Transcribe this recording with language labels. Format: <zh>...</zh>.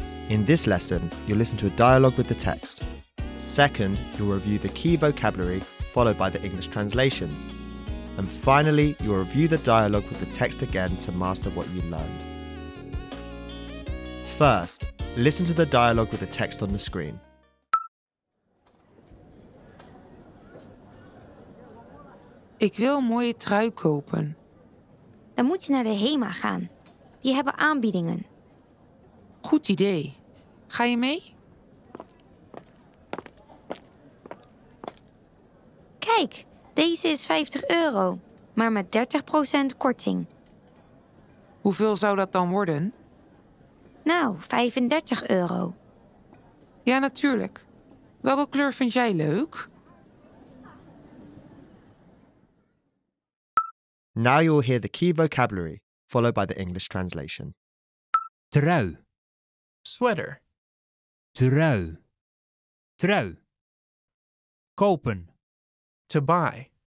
<en>In this lesson, you'll listen to a dialogue with the text. Second, you'll review the key vocabulary followed by the English translations. And finally, you'll review the dialogue with the text again to master what you learned. First, listen to the dialogue with the text on the screen.</en> <nl>Ik wil een mooie trui kopen. Dan moet je naar de HEMA gaan. Die hebben aanbiedingen. Goed idee. Ga je mee? Kijk, deze is €50, maar met 30% korting. Hoeveel zou dat dan worden? Nou, €35. Ja, natuurlijk. Welke kleur vind jij leuk?</nl> <en>Now you'll hear the key vocabulary, followed by the English translation.</en> <nl>Trui.</nl> <en>Sweater.</en> <nl>Trui. Trui. Kopen.</nl> <en>To buy.</en>